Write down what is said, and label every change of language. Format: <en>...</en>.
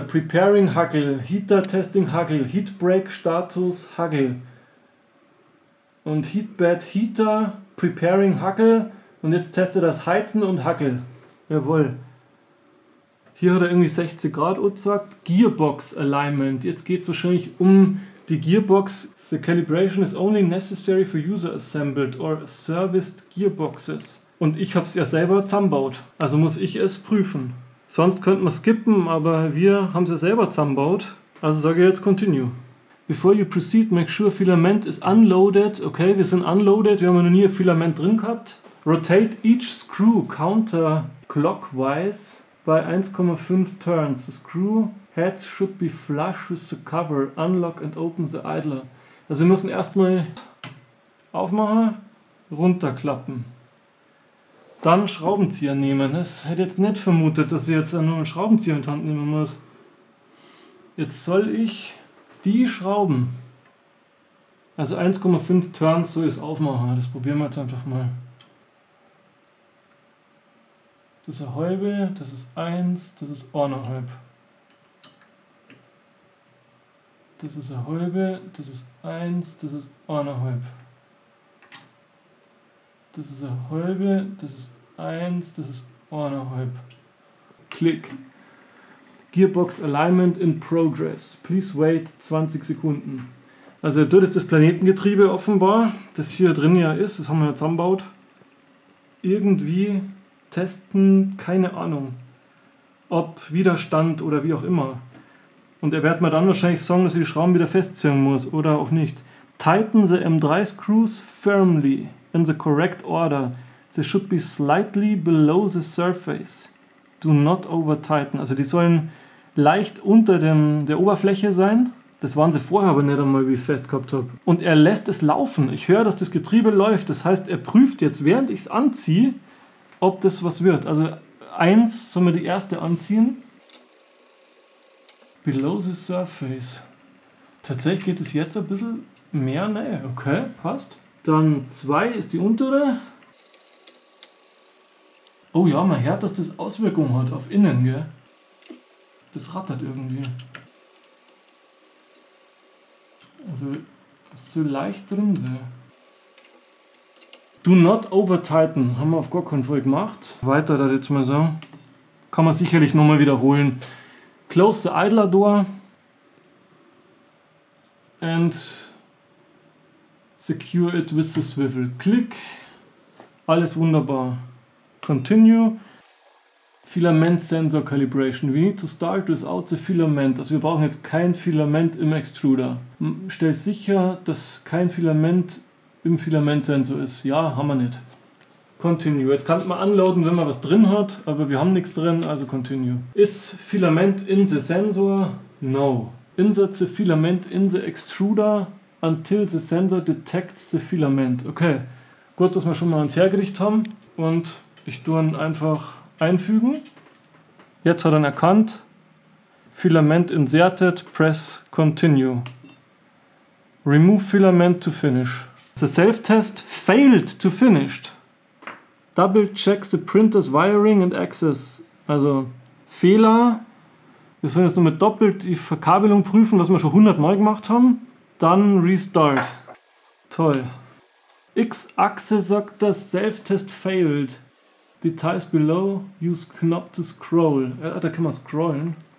<en>Preparing Huggle, Heater Testing Huggle, Heat Break Status Huggle.</en> <de>Und</de> <en>Heatbed Heater, Preparing Huggle.</en> <de>Und jetzt testet er das Heizen und Huggle. Jawohl. Hier hat er irgendwie 60 Grad gesagt.</de> <en>Gearbox Alignment.</en> <de>Jetzt geht es wahrscheinlich um die Gearbox.</de> <en>The calibration is only necessary for user assembled or serviced gearboxes.</en> <de>Und ich habe es ja selber zusammengebaut, also muss ich es prüfen. Sonst könnte man skippen, aber wir haben es ja selber zusammengebaut. Also sage ich jetzt Continue.</de> <en>Before you proceed, make sure Filament is unloaded.</en> <de>Okay, wir sind unloaded, wir haben noch nie ein Filament drin gehabt.</de> <en>Rotate each screw counterclockwise by 1,5 turns. The screw heads should be flush with the cover. Unlock and open the idler.</en> <de>Also wir müssen erstmal aufmachen, runterklappen. Dann Schraubenzieher nehmen. Das hätte jetzt nicht vermutet, dass ich jetzt nur einen Schraubenzieher in die Hand nehmen muss. Jetzt soll ich die Schrauben Also 1,5 Turns, so ist aufmachen. Das probieren wir jetzt einfach mal. Das ist eine halbe, das ist eins, das ist eineinhalb. Das ist eine halbe, das ist eins, das ist eineinhalb. Das ist eine halbe, das ist eins, das ist eineinhalb. Klick.</de> <en>Gearbox Alignment in Progress. Please wait 20</en> <de>Sekunden. Also er tut jetzt das Planetengetriebe offenbar, das hier drin ja ist, das haben wir ja zusammengebaut, irgendwie testen, keine Ahnung, ob Widerstand oder wie auch immer. Und er wird mir dann wahrscheinlich sagen, dass ich die Schrauben wieder festziehen muss oder auch nicht.</de> <en>Tighten the M3 screws firmly in the correct order. They should be slightly below the surface. Do not over tighten.</en> <de>Also die sollen leicht unter der Oberfläche sein. Das waren sie vorher aber nicht einmal, wie ich es fest gehabt habe. Und er lässt es laufen. Ich höre, dass das Getriebe läuft. Das heißt, er prüft jetzt, während ich es anziehe, ob das was wird. Also eins, sollen wir die erste anziehen.</de> <en>Below the surface.</en> <de>Tatsächlich geht es jetzt ein bisschen mehr näher. Okay, passt. Dann zwei ist die untere. Oh ja, man hört, dass das Auswirkungen hat auf innen, gell? Das rattert irgendwie. Also, ist so leicht drin, so.</de> <en>Do not over tighten.</en> <de>Haben wir auf gar keinen Fall gemacht. Weiter da jetzt mal so. Kann man sicherlich nochmal wiederholen.</de> <en>Close the idler door. And secure it with the swivel.</en> <de>Klick. Alles wunderbar. Continue.</de> <en>Filament sensor calibration. We need to start without the filament.</en> <de>Also wir brauchen jetzt kein Filament im Extruder. Stell sicher, dass kein Filament im Filamentsensor ist. Ja, haben wir nicht. Continue. Jetzt kannst du mal unloaden, wenn man was drin hat, aber wir haben nichts drin, also continue.</de> <en>Ist Filament in the sensor? No. Insert the filament in the extruder until the sensor detects the filament. Okay.</en> <de>Gut, dass wir schon mal ans Hergericht haben. Und ich tue ihn einfach einfügen. Jetzt hat er erkannt.</de> <en>Filament inserted. Press continue. Remove filament to finish. The self-test failed to finish. Double checks the printer's wiring and access.</en> <de>Also Fehler. Wir sollen jetzt nochmal doppelt die Verkabelung prüfen, was wir schon 100 Mal gemacht haben. Dann restart. Toll. X-Achse sagt, dass self-test failed.</de> <en>Details below, use Knopf to scroll.</en> <de>Ja, da kann man scrollen.</de>